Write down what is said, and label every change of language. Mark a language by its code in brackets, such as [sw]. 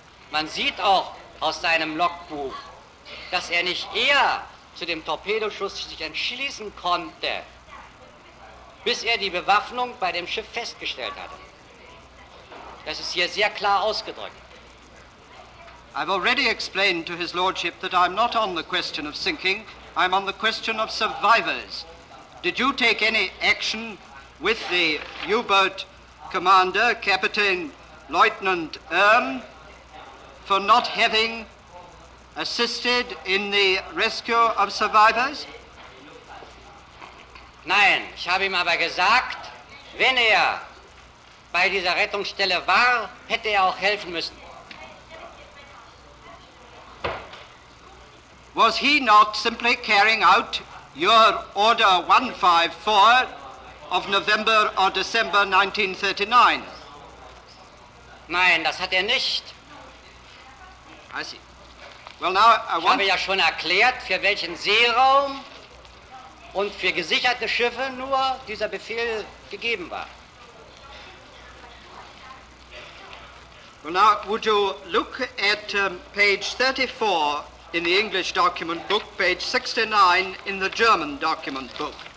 [de] Man sieht auch aus seinem Logbuch, dass er nicht eher zu dem Torpedoschuss sich entschließen konnte, bis er die Bewaffnung bei dem Schiff festgestellt hatte. Das ist hier sehr klar ausgedrückt. [en] I've already explained to his lordship that I'm not on the question of sinking, I'm on the question of survivors. Did you take any action with the U-boat commander, Captain Lieutenant Erm, for not having assisted in the rescue of survivors? [de] Nein, ich habe ihm aber gesagt, wenn bei dieser Rettungsstelle war, hätte auch helfen müssen. [en] Was he not simply carrying out your order 154 of November or December 1939? [de] Nein, das hat nicht. [en] I see. Well, now I want... [de] Ich habe ja schon erklärt, für welchen Seeraum und für gesicherte Schiffe nur dieser Befehl gegeben war. [en] Well, now, would you look at page 34 in the English document book, page 69 in the German document book.